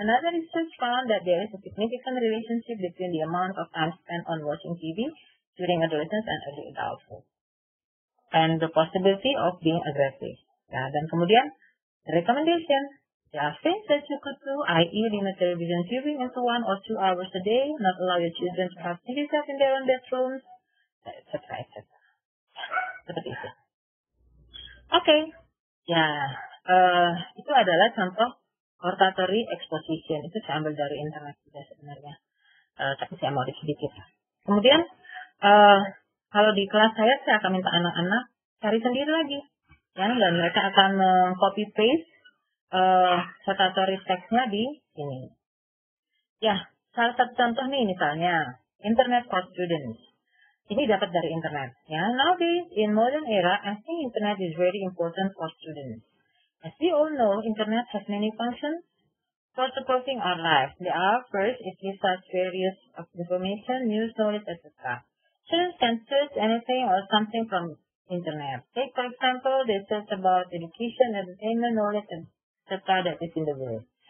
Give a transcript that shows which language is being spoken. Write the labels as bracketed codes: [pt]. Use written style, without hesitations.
[en] Another research found that there is a significant relationship between the amount of time spent on watching TV during adolescence and early adulthood, and the possibility of being aggressive. [id] Ya, dan kemudian, [en] recommendation, there are things that you could do, i.e. limit television viewing into 1 or 2 hours a day, not allow your children to have TV set in their own bedrooms, etc. [id] etc. Seperti itu. Oke, okay. Ya, itu adalah contoh auditory exposition. Itu saya ambil dari internet juga sebenarnya, tapi saya mau sedikit. Kemudian, kalau di kelas saya akan minta anak-anak cari sendiri lagi, ya, dan mereka akan copy paste auditory text-nya di sini. Ya, salah satu contoh nih misalnya, [en] internet for students. [id] Ini dapat dari internet. [en] Ya. Nowadays, in modern era, I think internet is very important for students. As we all know, internet has many functions for supporting our lives. They are, first, it gives us various information, news, knowledge, etc. Students can search anything or something from internet. Take, for example, they search about education, entertainment, knowledge, etc. that is in the world.